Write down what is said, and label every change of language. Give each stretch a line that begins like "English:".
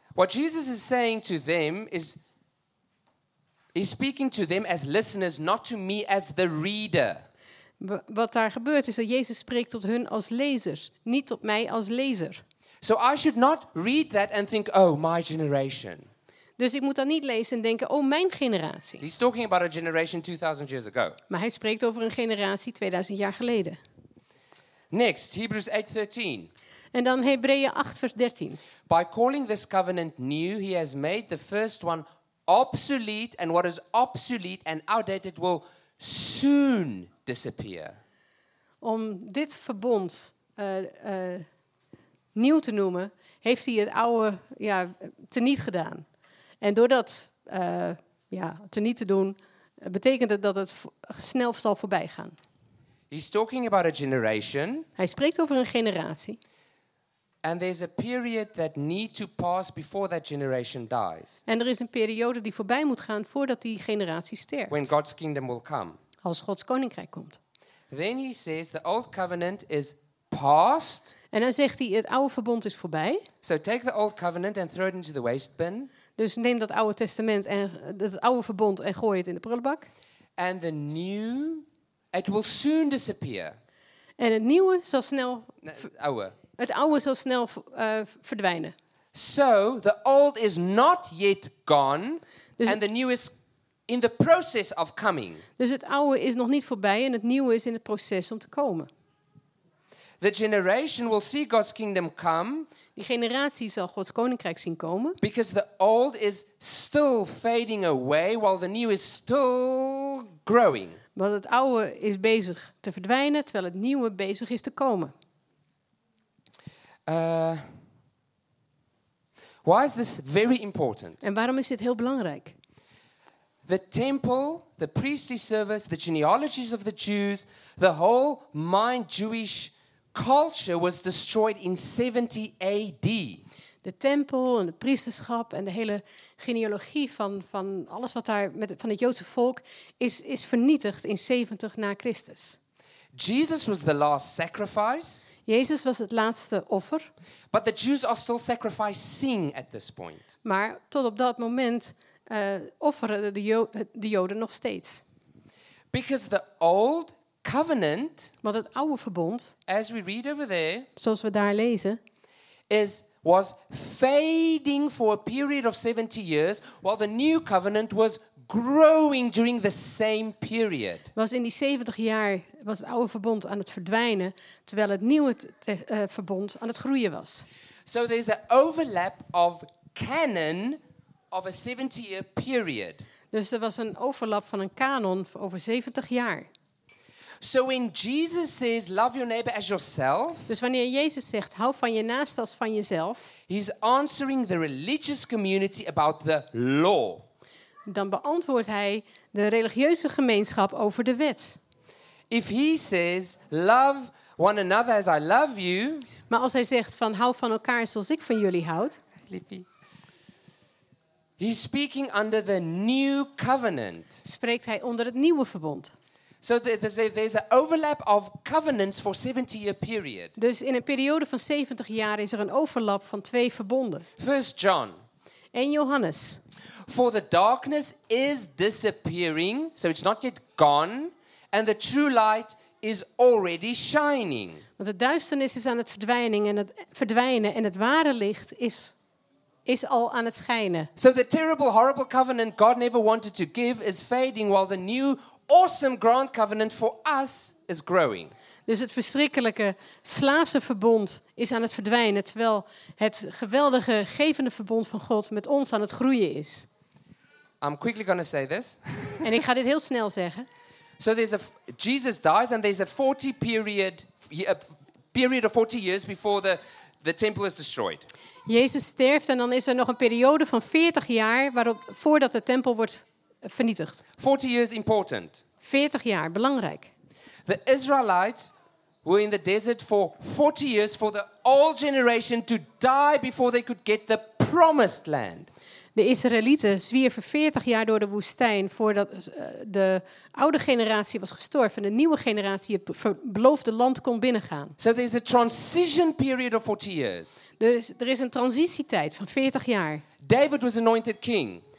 English: What Jesus is saying to them is, he's speaking to them as listeners, not to me as the reader.
Dutch: Wat daar gebeurt is dat Jezus spreekt tot hun als lezers, niet tot mij als lezer.
English: So I should not read that and think, oh, my generation.
Dutch: Dus ik moet dat niet lezen en denken, oh, mijn generatie.
English: He's talking about a generation 2000 years ago.
Dutch: Maar hij spreekt over een generatie 2000 jaar geleden.
English: Next, Hebrews 8:13.
Dutch: En dan Hebreeën 8 vers 13.
English: By calling this covenant new, he has made the first one obsolete, and what is obsolete and outdated will soon disappear.
Dutch: Om dit verbond nieuw te noemen, heeft hij het oude teniet gedaan. En door dat teniet te doen, betekent het dat het snel zal voorbij gaan.
English: He's talking about a generation.
Dutch: Hij spreekt over een generatie.
English: And there's a period that need to pass before that generation dies.
Dutch: En er is een periode die voorbij moet gaan voordat die generatie sterft.
English: When God's kingdom will come.
Dutch: Als Gods koninkrijk komt.
English: Then he says the old covenant is past.
Dutch: En dan zegt hij het oude verbond is voorbij.
English: So take the old covenant and throw it into the waste bin.
Dutch: Dus neem dat oude testament en het oude verbond en gooi het in de prullenbak.
English: And the new, it will soon disappear.
Dutch: En het nieuwe zal snel. Oude. Het oude zal snel verdwijnen.
English: So the old is not yet gone, dus and the new is in the process of coming.
Dutch: Dus het oude is nog niet voorbij en het nieuwe is in het proces om te komen.
English: The generation will see God's kingdom come.
Dutch: Die generatie zal Gods koninkrijk zien komen.
English: Because the old is still fading away, while the new is still growing.
Dutch: Want het oude is bezig te verdwijnen, terwijl het nieuwe bezig is te komen.
English: Why is this very important?
Dutch: En waarom is dit heel belangrijk?
English: The temple, the priestly service, the genealogies of the Jews, the whole mind Jewish culture was destroyed in 70 AD.
Dutch: De tempel en de priesterschap en de hele genealogie van alles wat daar met van het Joodse volk is vernietigd in 70 na Christus.
English: Jesus was the last sacrifice.
Dutch: Jezus was het laatste offer.
English: But the Jews are still sacrificing at this point.
Dutch: Maar tot op dat moment offeren de Joden nog steeds.
English: Because the old covenant,
Dutch: want het oude verbond,
English: as we read over there,
Dutch: zoals we daar lezen,
English: was fading for a period of 70 years, while the new covenant was growing during the same period.
Dutch: Was in die 70 jaar was het oude verbond aan het verdwijnen, terwijl het nieuwe verbond aan het groeien was.
English: So there's an overlap of canon of a 70-year period.
Dutch: Dus er was een overlap van een canon over 70 jaar.
English: So when Jesus says, love your neighbor as yourself.
Dutch: Dus wanneer Jezus zegt, hou van je naast als van jezelf.
English: He's answering the religious community about the law.
Dutch: Dan beantwoordt hij de religieuze gemeenschap over de wet.
English: If he says, love one another as I love you.
Dutch: Maar als hij zegt, van hou van elkaar zoals ik van jullie houd.
English: He's speaking under the new covenant.
Dutch: Spreekt hij onder het nieuwe verbond.
English: So there's an overlap of covenants for 70-year period.
Dutch: Dus in een periode van 70 jaar is er een overlap van twee verbonden.
English: First John.
Dutch: En Johannes.
English: For the darkness is disappearing, so it's not yet gone, and the true light is already shining.
Dutch: Want de duisternis is aan het verdwijnen en het ware licht is al aan het schijnen.
English: So the terrible, horrible covenant God never wanted to give is fading, while the new awesome grand covenant for us is growing.
Dutch: Dus het verschrikkelijke slaafse verbond is aan het verdwijnen, terwijl het geweldige gevende verbond van God met ons aan het groeien is.
English: I'm quickly going to say this.
Dutch: En ik ga dit heel snel zeggen.
English: So there's a Jesus dies and there's a 40 period, a period of 40 years before the temple is destroyed.
Dutch: Jezus sterft en dan is er nog een periode van 40 jaar waarop voordat de tempel wordt vernietigd.
English: 40 years important.
Dutch: 40 jaar, belangrijk.
English: The Israelites were in the desert for 40 years for the old generation to die before they could get the promised land.
Dutch: De Israëlieten zwierven 40 jaar door de woestijn voordat de oude generatie was gestorven en de nieuwe generatie het beloofde land kon binnengaan.
English: So there's a transition period of 40 years.
Dutch: Dus er is een transitietijd van 40 jaar.
English: David was anointed king.